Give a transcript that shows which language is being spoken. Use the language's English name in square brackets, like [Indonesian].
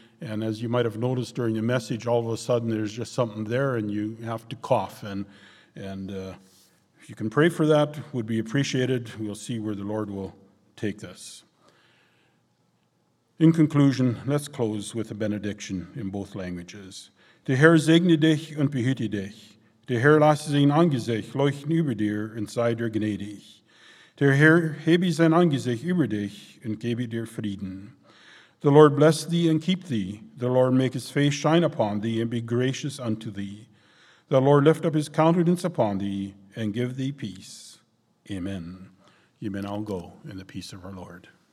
[English] And as you might have noticed during the message, all of a sudden there's just something there and you have to cough. And if you can pray for that, would be appreciated. We'll see where the Lord will take this. In conclusion, let's close with a benediction in both languages. [German] De Herr segne dich und behüte dich. De Herr lasse sein Angesicht leuchten über dir und sei dir gnädig. De Herr hebe sein Angesicht über dich und gebe dir Frieden. [English] The Lord bless thee and keep thee. The Lord make his face shine upon thee and be gracious unto thee. The Lord lift up his countenance upon thee and give thee peace. Amen. You may now go in the peace of our Lord.